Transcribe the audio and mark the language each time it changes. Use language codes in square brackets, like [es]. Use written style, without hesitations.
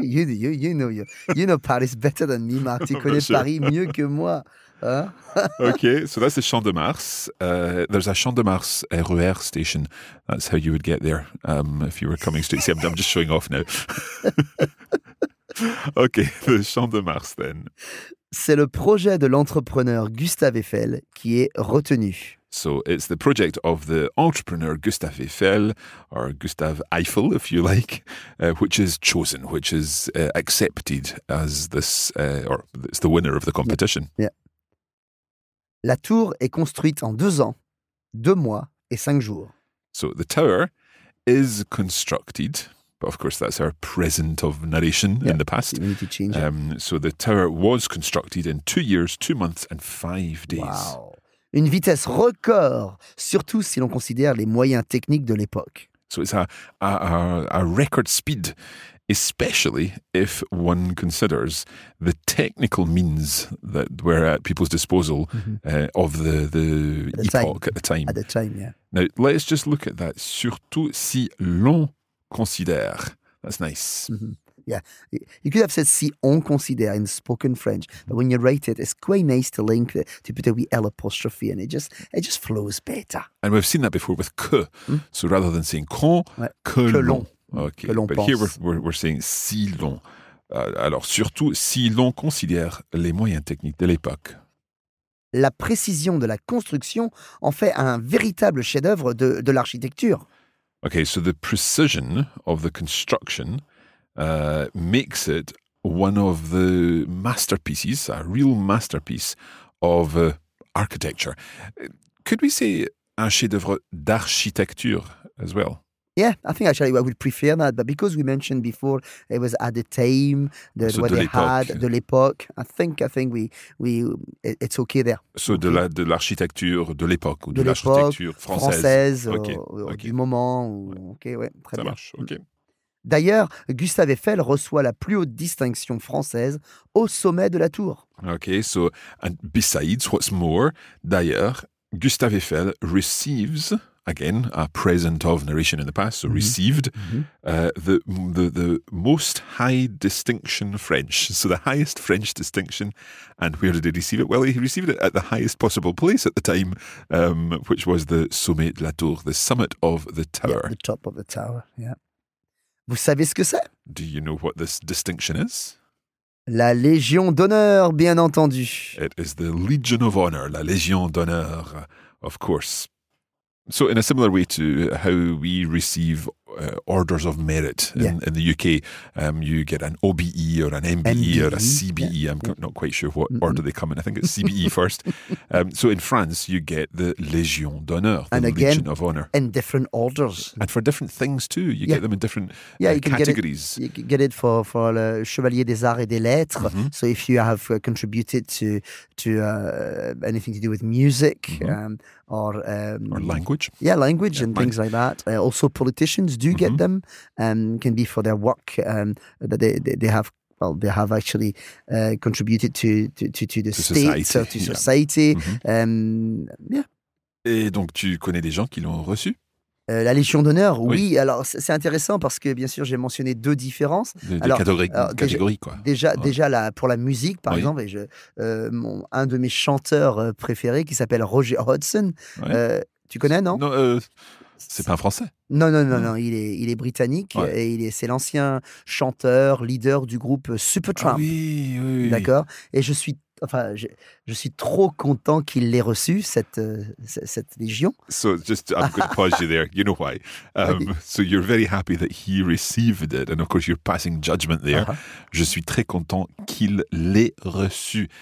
[en] You know Paris better than me, Marc. [fr] Tu connais [en] sure. [fr] Paris mieux que moi. [en] Okay, so that's the Champ de Mars. There's a Champ de Mars RER station. That's how you would get there if you were coming straight. See, I'm just showing off now. Okay, the Champ de Mars then. [fr] C'est le projet de l'entrepreneur Gustave Eiffel qui est retenu. [en] So it's the project of the entrepreneur Gustave Eiffel, or Gustave Eiffel, if you like, which is chosen, which is accepted as this, or it's the winner of the competition. Yeah. [fr] La tour est construite en 2 ans, 2 mois et 5 jours. [en] So the tower is constructed, but of course that's our present of narration in the past. You need to change it. So the tower was constructed in 2 years, 2 months and 5 days. Wow. [fr] Une vitesse record, surtout si l'on considère les moyens techniques de l'époque. [en] So it's a record speed, especially if one considers the technical means that were at people's disposal of the epoch at the time. Yeah. Now let's just look at that. [fr] Surtout si l'on considère. [en] That's nice. Mm-hmm. Yeah, you could have said [fr] si on considère [en] in spoken French, but when you write it, it's quite nice to link it to put a wee L apostrophe, and it just flows better. And we've seen that before with que. Mm-hmm. So rather than saying [fr] qu'on, que l'on. [en] Okay, but [fr] pense. [en] Here we're saying si l'on. [fr] Alors, surtout si l'on considère les moyens techniques de l'époque. La précision de la construction en fait un véritable chef-d'œuvre de l'architecture. [en] Okay, so the precision of the construction makes it one of the masterpieces, a real masterpiece of architecture. Could we say [fr] un chef-d'œuvre d'architecture [en] as well? Yeah, I think actually I would prefer that, but because we mentioned before it was at the time, [fr] de l'époque, [en] I think we it's okay there. So okay. [fr] De l'architecture de l'époque, ou de l'architecture française. Du moment, très ça bien. Ça marche, ok. D'ailleurs, Gustave Eiffel reçoit la plus haute distinction française au sommet de la tour. [en] Ok, so, and besides, what's more, [fr] d'ailleurs, [en] Gustave Eiffel receives... Again, a present of narration in the past, so received the most high distinction French. So the highest French distinction. And where did he receive it? Well, he received it at the highest possible place at the time, which was the [fr] sommet de la tour, [en] the summit of the tower. Yeah, the top of the tower, yeah. [fr] Vous savez ce que c'est? [en] Do you know what this distinction is? [fr] La Légion d'honneur, bien entendu. [en] It is the Legion of Honor, [fr] la Légion d'honneur, [en] of course. So in a similar way to how we receive orders of merit in the UK, you get an OBE or an MBE or a CBE. Yeah. I'm not quite sure what order they come in. I think it's CBE first. So in France, you get the Légion d'honneur, Legion of Honour. And different orders. And for different things too. You get them in different categories. You can get it for le Chevalier des Arts et des Lettres. Mm-hmm. So if you have contributed to anything to do with music, or language. Yeah, language and things like that. Also politicians do get them, can be for their work that they have actually contributed to the state, society. To society. Mm-hmm. [fr] Et donc tu connais des gens qui l'ont reçu? La Légion d'honneur, oui. Alors c'est intéressant parce que bien sûr j'ai mentionné deux différences. Des catégories, quoi. Déjà, pour la musique, par exemple, et un de mes chanteurs préférés qui s'appelle Roger Hodgson, tu connais, non ? Non, c'est pas un Français. Non, il est britannique et c'est l'ancien chanteur, leader du groupe Supertramp. Oui. D'accord. Et je suis trop content qu'il l'ait reçu, cette légion. [en] So just, I'm going to pause you there. You know why. So you're very happy that he received it. And of course, you're passing judgment there. Uh-huh. [fr] Je suis très content qu'il l'ait reçu.